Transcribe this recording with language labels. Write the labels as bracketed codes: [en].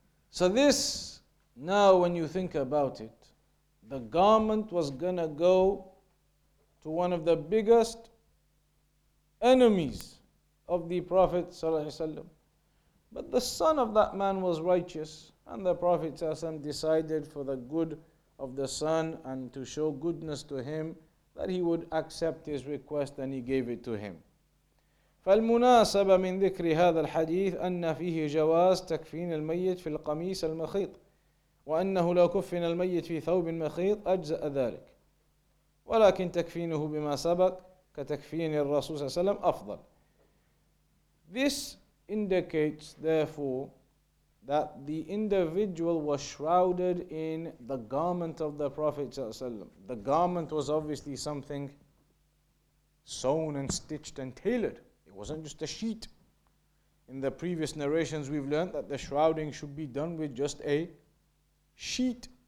[en] So this, now when you think about it, the garment was gonna go to one of the biggest enemies of the Prophet [ar] صلى الله عليه وسلم. [en] But the son of that man was righteous, and the Prophet [ar] صلى الله عليه وسلم [en] decided for the good of the son and to show goodness to him that he would accept his request, and he gave it to him. [ar] فالمناسبة من ذكر هذا الحديث أن فيه جواز تكفين الميت في القميص المخيط وأنه لو كفن الميت في ثوب مخيط أجزأ ذلك ولكن تكفينه بما سبق كتكفين الرسول صلى الله عليه وسلم أفضل. [en] This indicates, therefore, that the individual was shrouded in the garment of the Prophet ﷺ. The garment was obviously something sewn and stitched and tailored. It wasn't just a sheet. In the previous narrations, we've learned that the shrouding should be done with just a sheet.